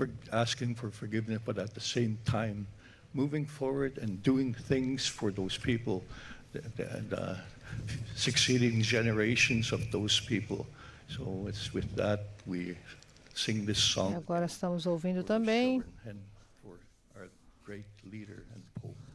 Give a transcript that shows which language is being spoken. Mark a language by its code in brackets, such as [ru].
[en] Asking for forgiveness, but at the same time, moving forward and doing things for those people, the succeeding generations of those people. So it's with that we sing this song. [pt] E agora estamos ouvindo também [en] for our great leader and Pope.